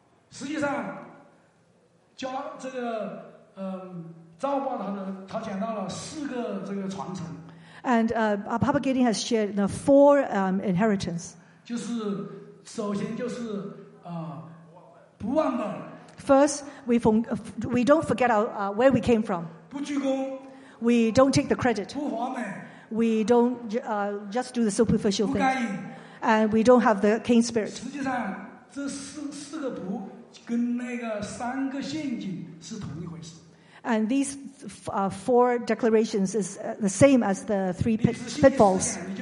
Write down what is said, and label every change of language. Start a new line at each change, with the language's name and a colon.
Chinese: 实际上，加这个赵爸他讲到了四个这个传承。
English: And our Papa Gideon has shared the four inheritance.
Chinese: 就是首先就是不忘本。
English: First, we don't forget where we came from.
Chinese: 不鞠躬。
English: We don't take the credit.
Chinese: 不华美。
English: We don't just do the superficial things.
Chinese: 不该隐。
English: And we don't have the Cain spirit.
Chinese: 实际上这四个不跟那个三个陷阱是同一回事。
English: And these four declarations is the same as the three pitfalls.